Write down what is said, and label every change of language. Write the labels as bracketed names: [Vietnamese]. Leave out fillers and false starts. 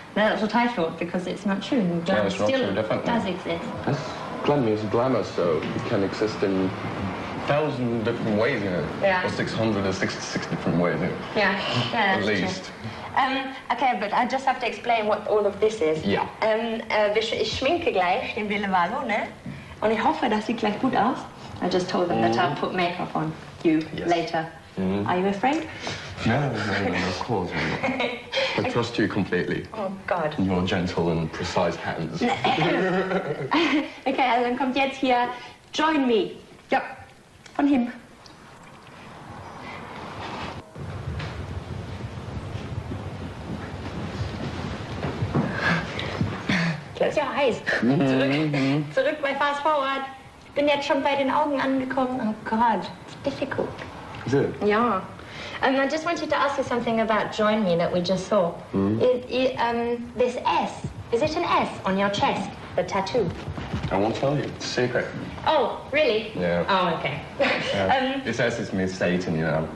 [English] No, that's what I thought, because it's not true. Glam still does exist. Glam is glamour, so it can exist in 1,000 different ways, you know. Yeah. Or 600 or 66 different ways, you know. Yeah, yeah. At least. Okay, but I just have to explain what all of this is. Yeah. [German] Ich schminke gleich den Ville Valo, ne? Und ich hoffe, das sieht gleich gut aus. [English] I just told them that I'll put makeup on you later. Mm. Are you afraid? No, of course I'm not. I trust you completely. Oh, God. Your gentle and precise hands. [German] Okay, dann kommt jetzt hier, Join Me. Ja, von ihm. Das ist ja heiß. Zurück bei Fast Forward. Ich bin jetzt schon bei den Augen angekommen. [English] Oh, God, it's difficult. Is it? Yeah. And I just wanted to ask you something about Join Me that we just saw. This S, is it an S on your chest, the tattoo? I won't tell you. It's a secret. Oh, really? Yeah. Oh, okay. This S is me, Satan, you know.